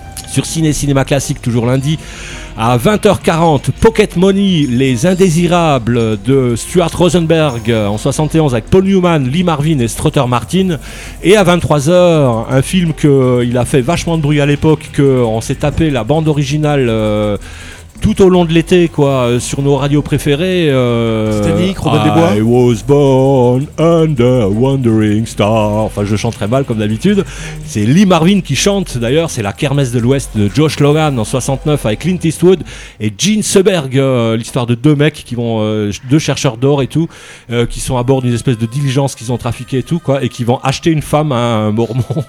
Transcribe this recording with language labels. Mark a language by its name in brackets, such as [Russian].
[French] Sur Cinéma Classique, toujours lundi, à 20h40, Pocket Money, Les Indésirables de Stuart Rosenberg en 71 avec Paul Newman, Lee Marvin et Strother Martin. Et à 23h, un film qu'il a fait vachement de bruit à l'époque, qu'on s'est tapé la bande originale tout au long de l'été, quoi, sur nos radios préférées. C'était Robin des Bois. [English] I was born under a wandering star. [French] Enfin, je chante très mal, comme d'habitude. C'est Lee Marvin qui chante, d'ailleurs. C'est La Kermesse de l'Ouest de Josh Logan en 69 avec Clint Eastwood et Gene Seberg. L'histoire de deux mecs qui vont, deux chercheurs d'or et tout, qui sont à bord d'une espèce de diligence qu'ils ont trafiqué et tout, quoi, et qui vont acheter une femme à un mormon.